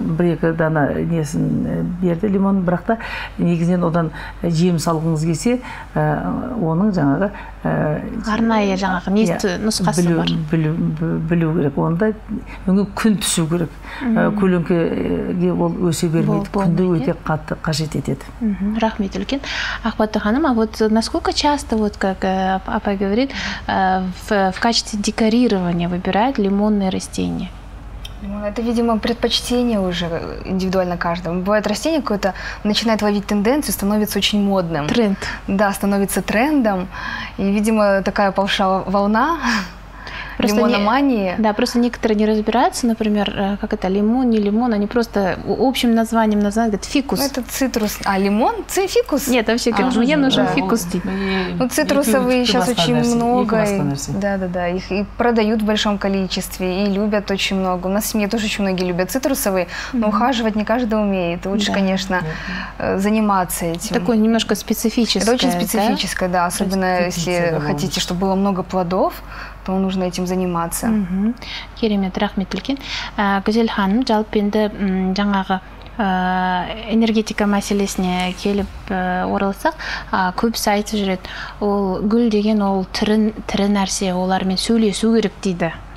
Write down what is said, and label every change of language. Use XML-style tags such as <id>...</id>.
<kk>1-2 дана несін берді лимон, бірақ та негізінен одан жем салғыңыз келсе, оның жаңағы арнайы жаңағы нұсқасы бар. Білу керек. Онда күн түсу керек. Көлеңкеге ол өсе бермейді. Күнді өте қатты қажет етеді. Рахмет үлкен.</kk> <ru>Ақбатты ханым, а вот насколько часто, вот как апай говорит, в качестве декорирования выбирают лимонные растения? Это, видимо, предпочтение уже индивидуально каждому. Бывает, растение какое-то начинает ловить тенденцию, становится очень модным. Тренд. Да, становится трендом. И, видимо, такая пошла волна лимономании. Да, просто некоторые не разбираются, например, как это, лимон, не лимон, они просто общим названием называют, говорят, фикус. Это цитрус. А лимон? Фикус? Нет, вообще, говорят, мне нужен фикус. Ну, цитрусовые сейчас очень много. Да-да-да, их и продают в большом количестве, и любят очень много. У нас в семье тоже очень многие любят цитрусовые, но ухаживать не каждый умеет. Лучше, конечно, заниматься этим. Такое немножко специфическое. Это очень специфическое, да, особенно если хотите, чтобы было много плодов, то нужно этим заниматься.</ru> <kk>Керемет, рахмет үлкен. Гүзел ханым, жалпы енді жаңағы энергетика мәселесіне келіп оралсақ, көп сайты жүреді. Ол гүл деген ол тірі нәрсе, олармен сөйлесу керек дейді.</kk>